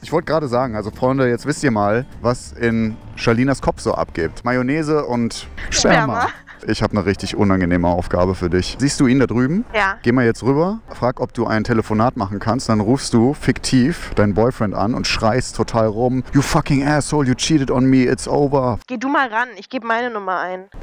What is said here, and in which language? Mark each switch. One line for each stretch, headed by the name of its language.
German: Ich wollte gerade sagen, also Freunde, jetzt wisst ihr mal, was in Charlinas Kopf so abgibt. Mayonnaise und Sperma. ich habe eine richtig unangenehme Aufgabe für dich. Siehst du ihn da drüben? Ja. Geh mal jetzt rüber, frag, ob du ein Telefonat machen kannst. Dann rufst du fiktiv deinen Boyfriend an und schreist total rum.
English: You fucking asshole, you cheated on me, it's over.
German: Geh du mal ran, ich gebe meine Nummer ein.